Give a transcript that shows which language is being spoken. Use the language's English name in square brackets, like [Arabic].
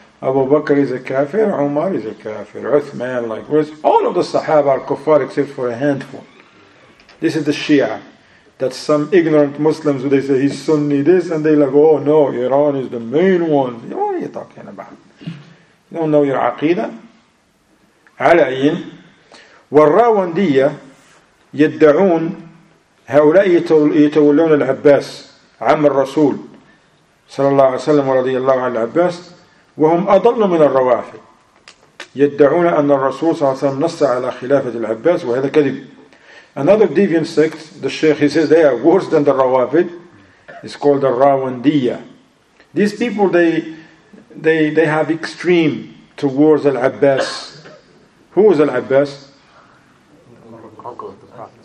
[English] Abu Bakr is a kafir, Umar is a kafir, Uthman, like this. All of the Sahaba are kuffar except for a handful. This is the Shia, that some ignorant Muslims, they say he's Sunni this, and they're like, oh no, Iran is the main one. What are you talking about? You don't know your aqidah? Alayin. [Arabic] والراوندية يدعون هؤلاء يتولون العباس عم الرسول صلى الله عليه وسلم ورضي الله عن العباس وهم أضل من الروافد. يدعون أن الرسول صلى الله عليه وسلم نص على خلافة العباس وهذا كذب. [English] Another deviant sect, the Shaykh, he says they are worse than the Rawafid. It's called the Rawandiya. These people, they have extreme towards Al-Abbas. Who is Al-Abbas? The uncle of the Prophet.